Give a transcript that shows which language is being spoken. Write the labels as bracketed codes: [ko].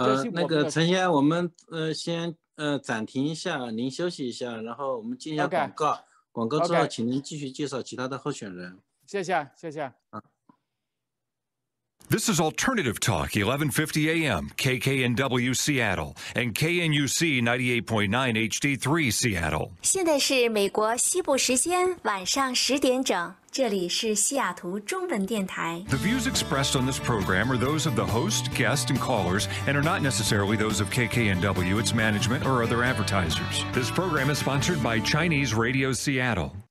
[zh] 那个陈先生，我们先暂停一下，您休息一下，然后我们进一下广告。 [en] Okay. [zh] 广告之后请您继续介绍其他的候选人。谢谢谢谢。 [en] This is Alternative Talk, 1150 AM, KKNW Seattle, and KNUC 98.9 HD3 Seattle. [zh] 现在是美国西部时间晚上十点整，这里是西雅图中文电台。 [en] The views expressed on this program are those of the host, guest, and callers, and are not necessarily those of KKNW, its management, or other advertisers. This program is sponsored by Chinese Radio Seattle.